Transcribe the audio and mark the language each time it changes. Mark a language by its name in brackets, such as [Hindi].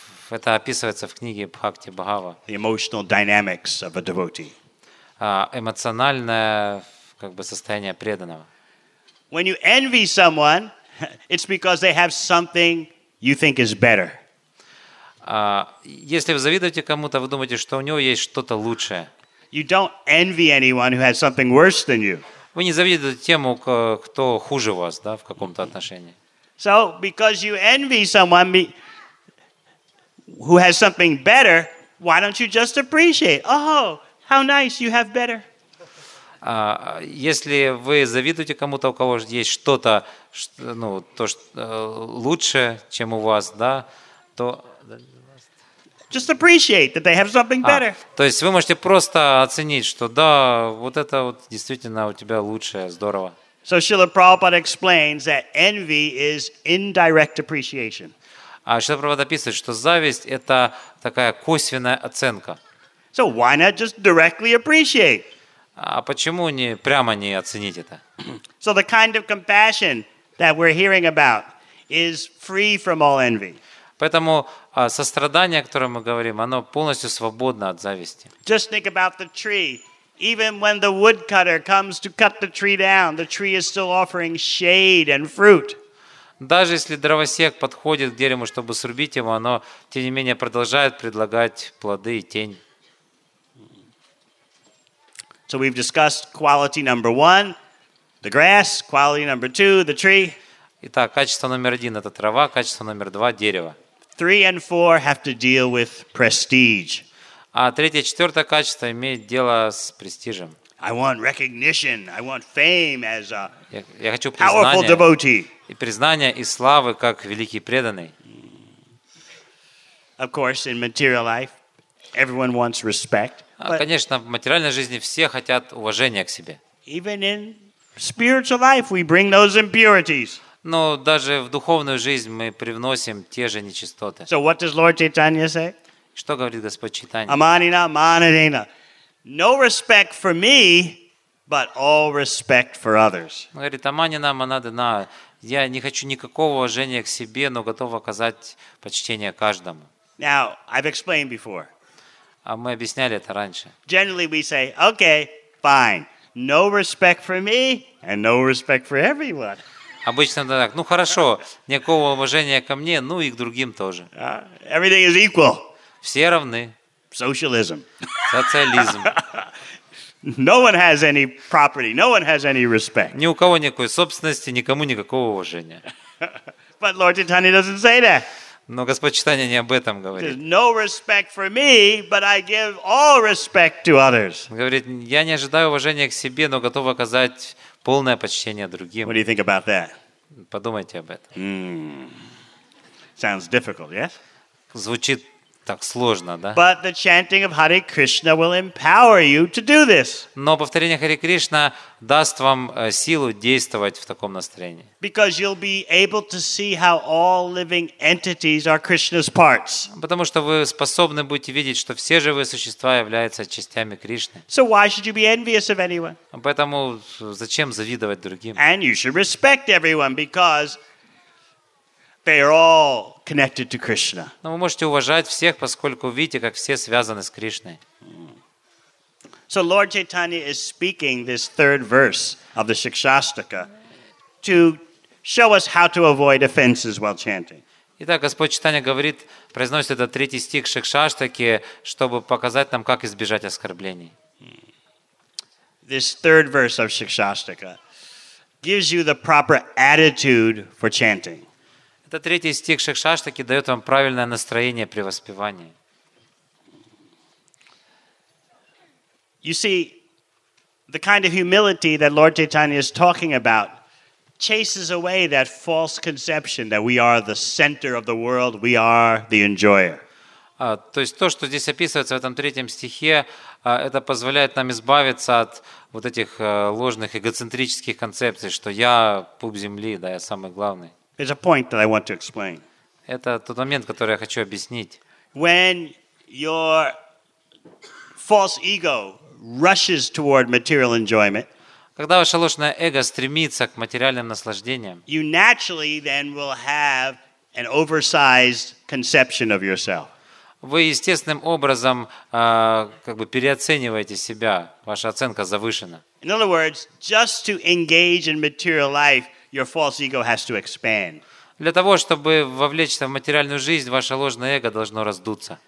[Russian] Это описывается в книге Бхакти Бхава. [English] The emotional dynamics of a devotee. [Russian] Эмоциональное состояние преданного. [English] When you envy someone, it's because they have something you think is better. [Russian] Если вы завидуете кому-то, вы думаете, что у него есть что-то лучшее. [English] You don't envy anyone who has something worse than you. [Russian] Вы не завидуете тем, кто хуже вас, да, в каком-то отношении. [English] So because you envy someone who has something better, why don't you just appreciate? Oh, how nice, you have better. [Russian] Если вы завидуете кому-то, у кого есть что-то, ну, то, что лучше, чем у вас, да, то... [English] Just appreciate that they have something better. [Russian] То есть вы можете просто оценить, что да, вот это вот действительно у тебя лучшее, здорово. [English] So Srila Prabhupada explains that envy is indirect appreciation. [Russian] А Шрила Прабхупада описывает, что зависть это такая косвенная оценка. [English] So why not just directly appreciate? [Russian] А почему не прямо не оценить это? [English] So the kind of compassion that we're hearing about is free from all envy. [Russian] Поэтому сострадание, о котором мы говорим, оно полностью свободно от зависти. [English] Just think about the tree. Even when the woodcutter comes to cut the tree down, the tree is still offering shade and fruit. [Russian] Даже если дровосек подходит к дереву, чтобы срубить его, оно тем не менее продолжает предлагать плоды и тень. [English] So we've discussed quality number one, the grass. Quality number two, the tree. [Russian] Итак, качество номер один – это трава, качество номер два – дерево. [English] Three and four have to deal with prestige. [Russian] А третье, четвертое качество имеет дело с престижем. [English] I want recognition. I want fame as a [Russian] я хочу [English] powerful devotee. [Russian] И признание и славы как великий преданный. [English] Of course, in material life, everyone wants respect. [Russian] Конечно, в материальной жизни все хотят уважения к себе. [English] Even in spiritual life, we bring those impurities. [Russian] Но даже в духовную жизнь мы привносим те же нечистоты. [English] So what does Lord Chaitanya say? [Russian] Что говорит Господь Чайтанья? [Sanskrit] Аманина, манадина. [English] No respect for me, but all respect for others. [Russian] Говорит, аманина, манадина. Я не хочу никакого уважения к себе, но готов оказать почтение каждому. [English] Now, I've explained before. [Russian] А мы объясняли это раньше. [English] Generally we say, okay, fine. No respect for me and no respect for everyone. [Russian] Обычно так, ну хорошо, никакого уважения ко мне, ну и к другим тоже. [English] Everything is equal. [Russian] Все равны. [English] Socialism. [Russian] Социализм. [English] No one has any property, no one has any respect. [Russian] Ни у кого никакой собственности, никому никакого уважения. [English] But Lord Chaitanya doesn't say that. [Russian] Но Господь Чайтанья не об этом говорит. [English] There's no respect for me, but I give all respect to others. [Russian] Говорит, я не ожидаю уважения к себе, но готов оказать полное почтение другим. [English] What do you think about that? [Russian] Подумайте об этом. [English] Sounds difficult, yes? [Russian] Звучит так сложно, да? [English] But the chanting of Hare Krishna will empower you to do this. [Russian] Но повторение Хари Кришна даст вам силу действовать в таком настроении. [English] Because you'll be able to see how all living entities are Krishna's parts. [Russian] Потому что вы способны будете видеть, что все живые существа являются частями Кришны. [English] So why should you be envious of anyone? [Russian] Поэтому зачем завидовать другим? [English] And you should respect everyone because they are all connected to Krishna. [Russian] Но вы можете уважать всех, поскольку видите, как все связаны с Кришной. [English] So Lord Chaitanya is speaking this third verse of the Shikshastaka to show us how to avoid offenses while chanting. [Russian] Итак, Господь Чайтанья говорит, произносит этот третий стих Шикшаштаки, чтобы показать нам, как избежать оскорблений. [English] This third verse of Shikshastaka gives you the proper attitude for chanting. [Russian] Это третий стих Шикшаштаки дает вам правильное настроение при воспевании. [English] You see, the kind of humility that Lord Chaitanya is talking about chases away that false conception that we are the center of the world, we are the enjoyer. [Russian] То есть то, что здесь описывается в этом третьем стихе, это позволяет нам избавиться от вот этих ложных эгоцентрических концепций, что я пуп земли, да, я самый главный. [English] There's a point that I want to explain. [Russian] Это тот момент, который я хочу объяснить. [English] When your false ego rushes toward material enjoyment, [Russian] когда ваше ложное эго стремится к материальным наслаждениям, [English] you naturally then will have an oversized conception of yourself. [Russian] Вы естественным образом как бы переоцениваете себя. Ваша оценка завышена. [English] In other words, just to engage in material life, your false ego has to expand. [Russian] Для того, чтобы вовлечься в материальную жизнь, ваше ложное эго должно раздуться.